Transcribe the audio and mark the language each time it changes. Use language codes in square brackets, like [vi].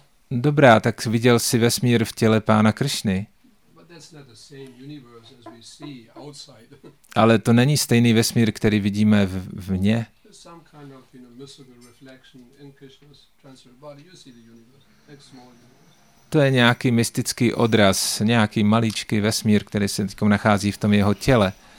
[cs] Dobrá, tak viděl jsi vesmír v těle pána Krišny. [en] that's not the same universe as we see outside. [cs] Ale to není stejný vesmír, který vidíme vně. [en] Some kind of, you know, mystical reflection in Krishna's transfer body. You see the universe, like small universe. [cs] To je nějaký mystický odraz, nějaký maličký vesmír, který se teď nachází v tom jeho těle.